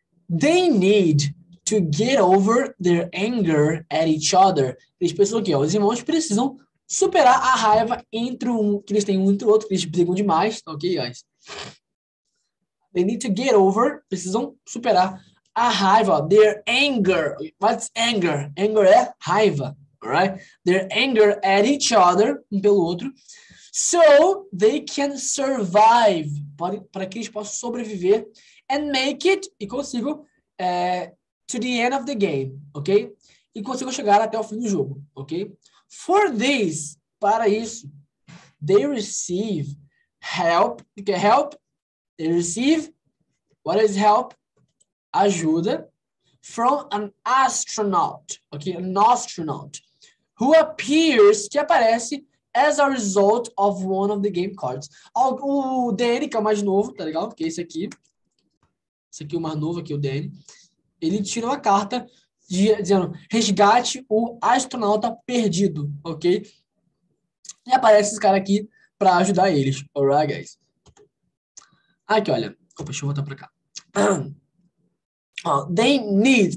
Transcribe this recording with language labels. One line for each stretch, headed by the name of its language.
English: They need to get over their anger at each other.
Portuguese: Eles pensam que os irmãos precisam superar a raiva entre um, que eles têm um entre o outro, que eles brigam demais, ok, guys?
English: They need to get over.
Portuguese: Precisam superar a raiva.
English: Their anger. What's anger? Anger
Portuguese: é raiva.
English: Right? Their anger at each other,
Portuguese: um pelo outro.
English: So they can survive.
Portuguese: Para que eles possam sobreviver.
English: And make it,
Portuguese: e consigo,
English: to the end of the game. Ok?
Portuguese: E consigo chegar até o fim do jogo.
English: Ok? For this,
Portuguese: para isso,
English: they receive help. Help. They receive, what is help?
Portuguese: Ajuda.
English: From an astronaut. Ok? An astronaut. Who appears,
Portuguese: que aparece,
English: as a result of one of the game cards.
Portuguese: O Danny, que é o mais novo, tá legal? Porque esse aqui. Esse aqui é o mais novo, aqui é o Danny. Ele tira uma carta dizendo, resgate o astronauta perdido, ok? E aparece esse cara aqui pra ajudar eles. Alright, guys? Aqui, olha. Opa, deixa eu voltar pra cá.
English: They need.